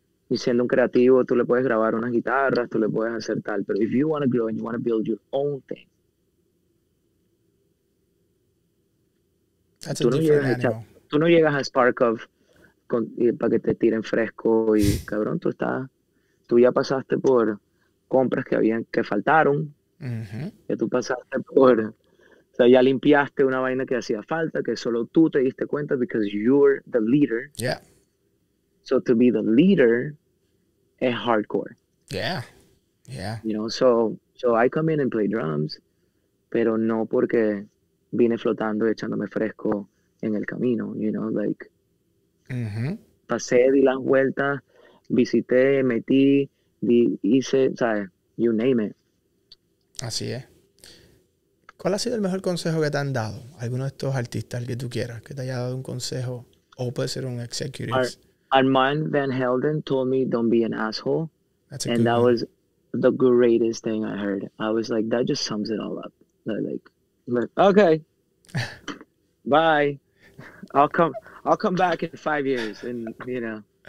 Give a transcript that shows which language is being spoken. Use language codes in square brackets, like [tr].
[es] Y siendo un creativo, tú le puedes grabar unas guitarras, tú le puedes hacer tal. Pero [en] if you want to grow and you want to build your own thing, that's a different animal. [es] Tú no llegas a Sparkof para que te tiren fresco y, cabrón, tú estás, tú ya pasaste por compras que habían, que faltaron. Ya tú pasaste por, o sea, ya limpiaste una vaina que hacía falta, que solo tú te diste cuenta, [en] because you're the leader. Yeah. So to be the leader is hardcore. Yeah. Yeah. You know, so I come in and play drums. [es] pero no porque vine flotando y echándome fresco en el camino, [en] you know, like, [es] pasé, di las vueltas, visité, metí, hice, ¿sabes? [en] You name it. [es] Así es. ¿Cuál ha sido el mejor consejo que te han dado? Alguno de estos artistas, el que tú quieras, que te haya dado un consejo, o puede ser un executive. [en] Armand Van Helden told me, don't be an asshole. That's a and good that one. Was the greatest thing I heard. I was like, that just sums it all up. Like okay, bye. I'll come back in 5 years, and you know,